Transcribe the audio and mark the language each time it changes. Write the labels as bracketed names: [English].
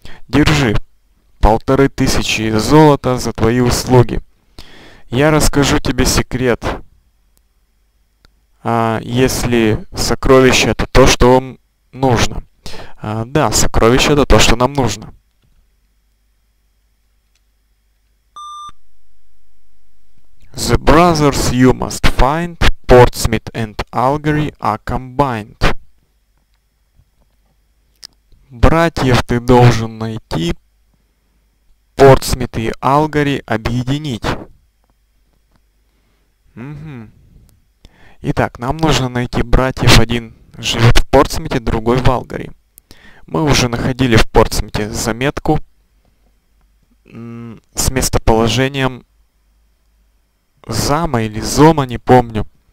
[Russian] Держи 1500 золота за твои услуги. Я расскажу тебе секрет. Если сокровище — это то, что вам нужно. Да, сокровище — это то, что нам нужно. [English] The brothers you must find, Portsmith and Algary are combined. [Russian] Братьев ты должен найти, Портсмит и Алгари объединить. Угу. Итак, нам нужно найти братьев. Один живет в Портсмите, другой в Алгари. Мы уже находили в Портсмите заметку с местоположением Зама или Зома, не помню.